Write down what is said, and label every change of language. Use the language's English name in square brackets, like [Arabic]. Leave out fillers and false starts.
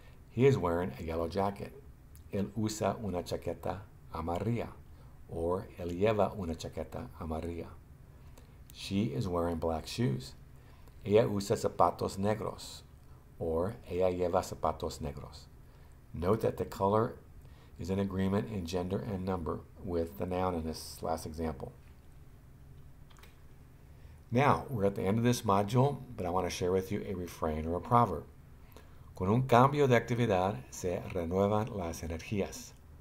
[English] He is wearing a yellow jacket. [Spanish] Él usa una chaqueta amarilla, [English] or [Spanish] él lleva una chaqueta amarilla. [English] She is wearing black shoes. [Spanish] Ella usa zapatos negros, [English] or [Spanish] ella lleva zapatos negros. [English] Note that the color is in agreement in gender and number with the noun in this last example. Now, we're at the end of this module, but I want to share with you a refrain or a proverb. [Spanish] Con un cambio de actividad se renuevan las energías.